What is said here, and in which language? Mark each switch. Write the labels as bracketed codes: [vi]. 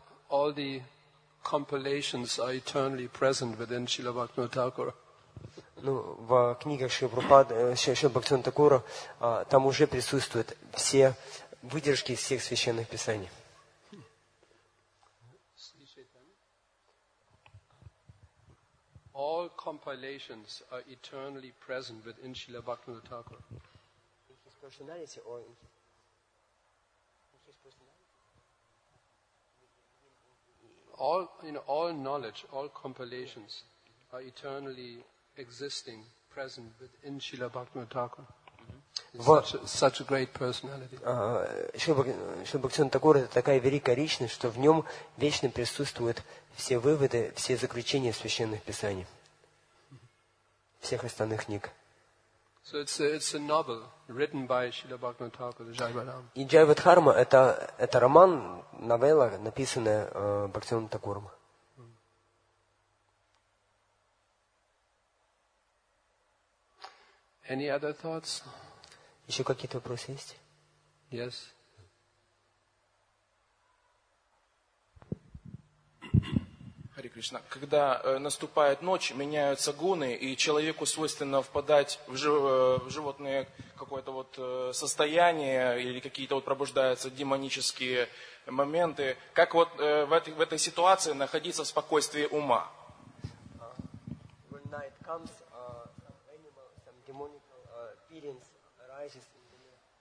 [en] all the compilations are eternally present within Srila Bhaktivinoda Thakur. [ru] Ну, в книгах Шрилы Бхактивинода Такура там уже присутствуют все выдержки из всех священных писаний. [en] All compilations are eternally present within Srila Bhaktivinoda Thakur. In his personality or in his personality? All knowledge, all compilations are eternally existing, present within Srila Bhaktivinoda Thakur. Such a great personality. [ru] Srila Bhaktivinoda Thakur – это такая великая личность, что в нем вечно присутствуют все выводы, все заключения священных писаний. Всех остальных книг. [en] So it's a novel written by Srila Bhaktivinoda Thakur, Jayavadharma. [ru] И Джайвадхарма это роман, новелла, написанная Бхактивинодой Такуром. [en] Any other thoughts? [ru] Еще какие-то вопросы есть? [en] Yes. [ru] Хари Кришна, когда наступает ночь, меняются гуны, и человеку свойственно впадать в животное какое-то вот состояние или какие-то вот пробуждаются демонические моменты. Как вот в этой ситуации находиться в спокойствии ума? [en] When night comes, some animal, some demonic feelings arises in the night.